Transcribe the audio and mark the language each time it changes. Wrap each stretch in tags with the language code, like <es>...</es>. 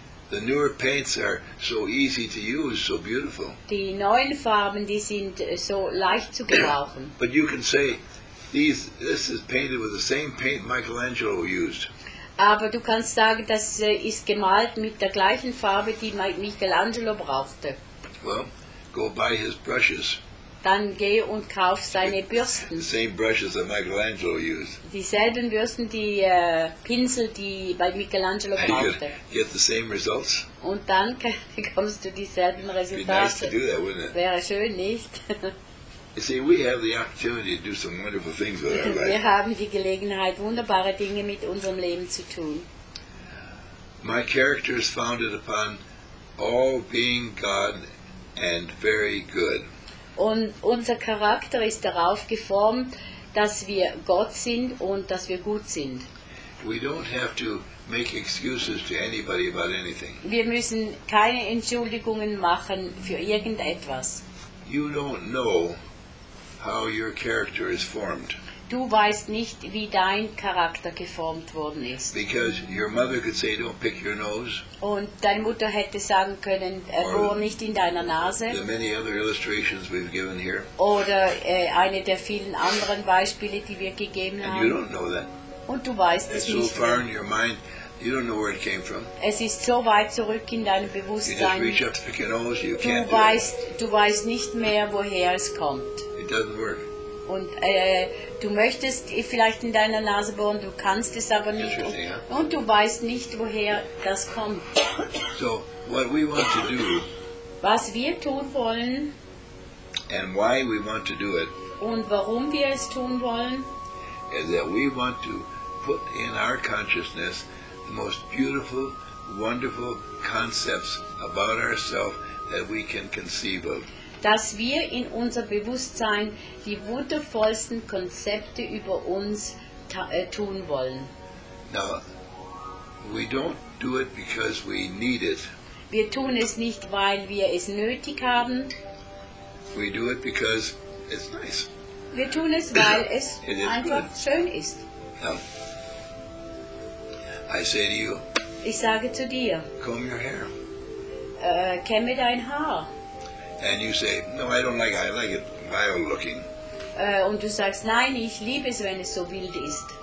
<en>The newer paints are so easy to use, so beautiful.</en> <de>Die neuen Farben, die sind so leicht zu gebrauchen.</de> <en>But you can say, this is painted with the same paint Michelangelo used.</en> <de>Aber du kannst sagen, das ist gemalt mit der gleichen Farbe, die Michelangelo brauchte.</de> <en>Well, go buy his brushes.</en> <de>Dann geh und kauf seine Bürsten.</de> <en>The same brushes that Michelangelo used.</en> <de>Dieselben Bürsten, die Pinsel, die bei Michelangelo brauchte.</de> <en>Get the same results.</en> <de>Und dann bekommst du dieselben Resultate.</de> <en>It'd be nice to do that, wouldn't it?</en> <de>Wäre schön, nicht?</de> <en>You see, we have the opportunity to do some wonderful things with our life.</en> <de>Wir haben die Gelegenheit, wunderbare Dinge mit unserem Leben zu tun.</de> <en>My character is founded upon all being God and very good.</en> <de>Und unser Charakter ist darauf geformt, dass wir Gott sind und dass wir gut sind.</de> <en>We don't have to make excuses to anybody about anything.</en> <de>Wir müssen keine Entschuldigungen machen für irgendetwas.</de> <en>You don't know how your character is formed.</en> <de>Du weißt nicht, wie dein Charakter geformt worden ist.</de> <en>Because your mother could say, don't pick your nose.</en> <de>Und deine Mutter hätte sagen können, bohr nicht in deiner Nase.</de> <en>The many other illustrations we've given here.</en> <de>Oder eine der vielen anderen Beispiele, die wir gegeben haben.</de> <en>And you don't know that.</en> <de>Und du weißt es nicht.</de> <en>It's so far in your mind, you don't know where it came from.</en> <de>Es ist so weit zurück in deinem Bewusstsein.</de> <en>You just reach up to pick your nose, you can't do it.</en> <de>Du weißt nicht mehr, woher es kommt.</de> <en>It doesn't work.</en> <de>Und du möchtest vielleicht in deiner Nase bohren, du kannst es aber nicht. Und du weißt nicht, woher das kommt.</de> <en>So, what we want to do,</en> <de>was wir tun wollen,</de> <en>and why we want to do it,</en> <de>und warum wir es tun wollen,</de> <en>is that we want to put in our consciousness the most beautiful, wonderful concepts about ourselves that we can conceive of.</en> <de>Dass wir in unser Bewusstsein die wundervollsten Konzepte über uns tun wollen.</de> <en>Now, we don't do it because we need it.</en> <de>Wir tun es nicht, weil wir es nötig haben.</de> <en>We do it because it's nice.</en> <de>Wir tun es, weil es einfach schön ist.</de> <en>I say to you,</en> <de>ich sage zu dir,</de> <en>comb your hair.</en> <de>Kämme dein Haar.</de> <en>And you say, no, I don't like it. I like it wild looking.</en> <de>Und du sagst, nein, ich liebe es, wenn es so wild ist.</de>